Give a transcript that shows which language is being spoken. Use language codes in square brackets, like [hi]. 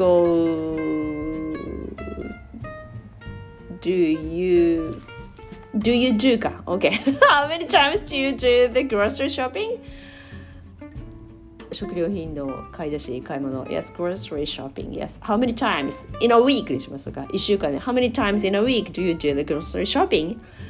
[en] Okay, how many times do you do the grocery shopping? [ja] 食料品の買い出し、買い物。 [en] Yes, grocery shopping. Yes, how many times in a week [ja] にしますか？ 1週間で。 [en] How many times in a week do you do the grocery shopping?